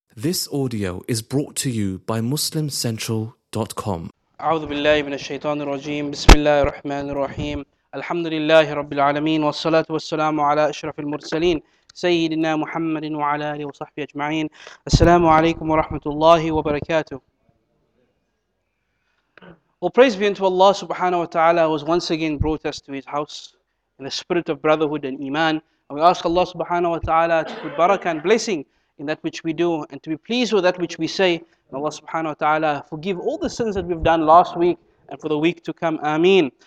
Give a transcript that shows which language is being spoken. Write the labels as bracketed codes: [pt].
[en] This audio is brought to you by MuslimCentral.com. [ar] أعوذ بالله من الشيطان الرجيم. بسم الله الرحمن الرحيم. الحمد لله رب العالمين والصلاة والسلام على أشرف المرسلين سيدنا محمد وعلى آله وصحبه أجمعين. السلام عليكم ورحمة الله وبركاته. [en] Well, praise be unto Allah subhanahu wa ta'ala who has once again brought us to His house in the spirit of brotherhood and iman. And we ask Allah subhanahu wa ta'ala to put barakah and blessing in that which we do and to be pleased with that which we say. And Allah subhanahu wa ta'ala forgive all the sins that we've done last week and for the week to come. Ameen.